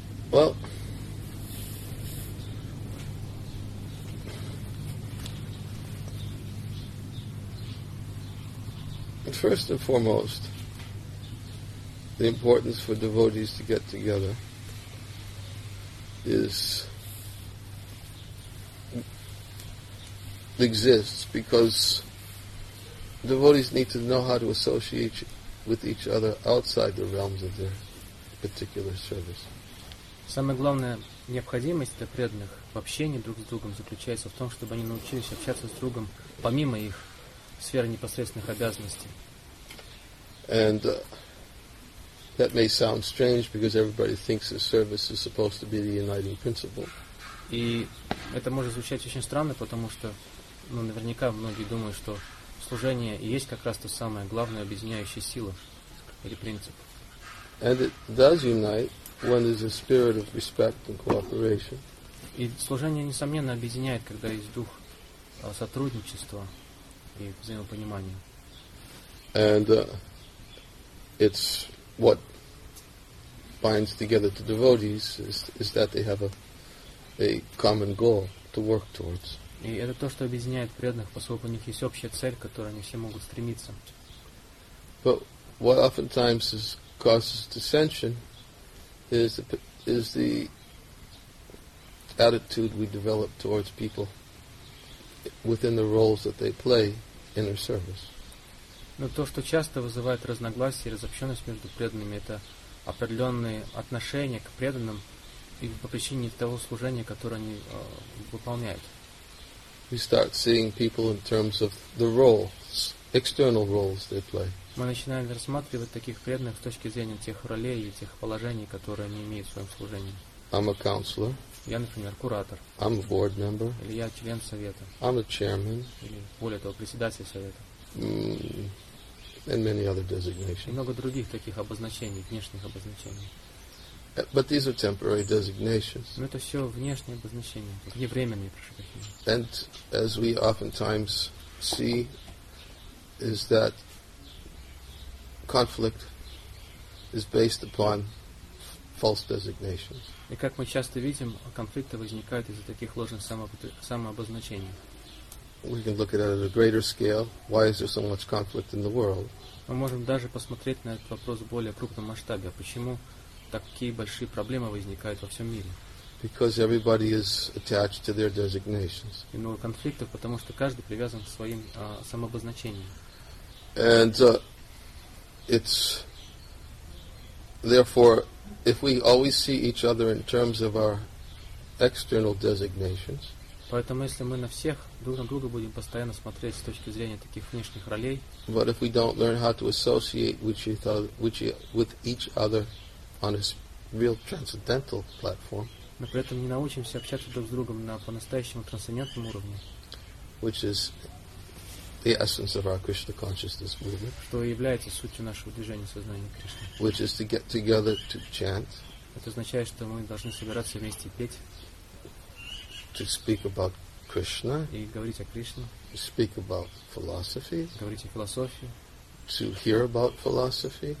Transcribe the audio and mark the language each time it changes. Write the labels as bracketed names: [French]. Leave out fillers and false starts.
[English] Well, first and foremost, the importance for devotees to get together exists because devotees need to know how to associate with each other outside the realms of their particular service. [Russian] Самая главная необходимость для преданных в общении друг с другом заключается в том, чтобы они научились общаться с другом помимо их сферы непосредственных обязанностей. [English] And that may sound strange because everybody thinks the service is supposed to be the uniting principle. [Russian] И это может звучать очень странно, потому что, ну, наверняка многие думают, что служение и есть как раз то самое главное объединяющая сила или принцип. [English] And it does unite. One is a spirit of respect and cooperation. [Russian] И служение несомненно объединяет, когда есть дух сотрудничества и взаимопонимания. [English] And it's what binds together the devotees is that they have a common goal to work towards. [Russian] И это то, что объединяет преданных, поскольку у них есть общая цель, к которой они все могут стремиться. [English] But what oftentimes causes dissension is the attitude we develop towards people within the roles that they play in their service. [Russian] Но то, что часто вызывает разногласия и разобщенность между преданными, это определенные отношения к преданным и по причине того служения, которое они выполняют. [English] We start seeing people in terms of the roles, external roles they play. [Russian] Мы начинаем рассматривать таких преданных с точки зрения тех ролей и тех положений, которые они имеют в своем служении. [English] I'm a counselor. [Russian] Я, например, куратор. [English] I'm a board member. [Russian] Или я член совета. [English] I'm a chairman. [Russian] Или, более того, председатель совета. [English] And many other designations. [Russian] И много других таких обозначений, внешних обозначений. [English] But these are temporary designations. [Russian] Но это все внешние обозначения, вневременные, прошу прощения. [English] And as we oftentimes see, is that conflict is based upon false designations. [Russian] И как мы часто видим, конфликты возникают из-за таких ложных самообозначений. [English] we can look at it at a greater scale. Why is there so much conflict in the world? [Russian] Мы можем даже посмотреть на этот вопрос в более крупном масштабе. Почему такие большие проблемы возникают во всем мире? [English] Because everybody is attached to their designations. [Russian] И много конфликтов, потому что каждый привязан к своим самообозначениям. [English] And it's therefore, if we always see each other in terms of our external designations. [Russian] Поэтому, если мы на всех друг на друга будем постоянно смотреть с точки зрения таких внешних ролей. [English] But if we don't learn how to associate with each other on a real transcendental platform. [Russian] Но при этом не научимся общаться друг с другом на по-настоящему трансцендентном уровне. [English] Which is the essence of our Krishna consciousness movement. [Russian] Что является сутью нашего движения сознания Кришны. [English] Which is to get together to chant. [Russian] Это означает, что мы должны собираться вместе петь. [English] To speak about Krishna. [Russian] И говорить о Кришне. [English] To speak about philosophy. [Russian] Говорить о философии. [English] To hear about philosophy.